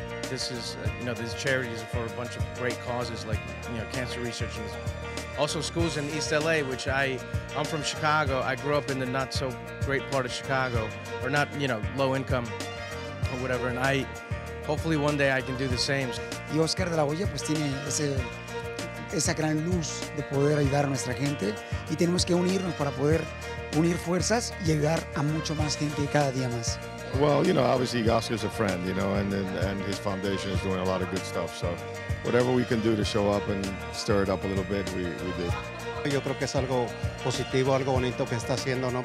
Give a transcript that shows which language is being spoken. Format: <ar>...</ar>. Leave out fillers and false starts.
<en>This is, you know, this charity is for a bunch of great causes like, you know, cancer research and also schools in East LA, which I'm from Chicago. I grew up in the not so great part of Chicago, or not, you know, low income or whatever. And I, hopefully one day I can do the same.</en> <es>Y Oscar de la Hoya pues tiene ese, esa gran luz de poder ayudar a nuestra gente y tenemos que unirnos para poder unir fuerzas y ayudar a mucho más gente cada día más.</es> <en>Well, you know, obviously Oscar's a friend, you know, and his foundation is doing a lot of good stuff. So whatever we can do to show up and stir it up a little bit, we did.</en> <es>Yo creo que es algo positivo, algo bonito que está haciendo, ¿no?</es>